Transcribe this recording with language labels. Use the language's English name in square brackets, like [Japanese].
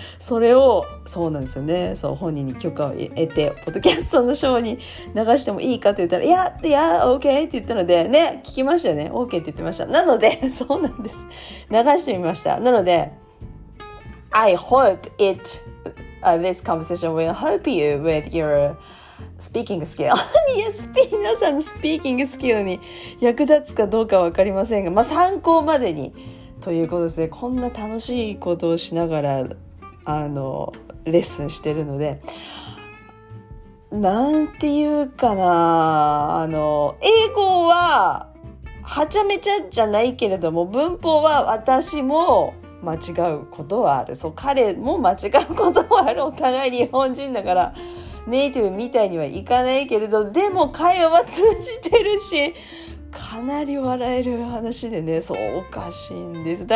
[Japanese] それを、そうなんですよね、そう、本人に許可を得てポッドキャストのショーに流してもいいかと言ったら、いや OK って言ったので、ね、聞きましたよね、 OK って言ってました。なので、そうなんです、流してみました。 [English] なのでI hope this conversation will help you with your speaking skill. [Japanese] Yes, 皆さんのスピーキングスキルに役立つかどうか分かりませんが、まあ参考までにということですね。こんな楽しいことをしながら、レッスンしてるので、なんていうかな、英語は、はちゃめちゃじゃないけれども、文法は私も、間違うことはある、そう、彼も間違うことはある、お互い日本人だからネイティブみたいにはいかないけれど、でも会話は通じてるし、かなり笑える話でね、そう、おかしいんです。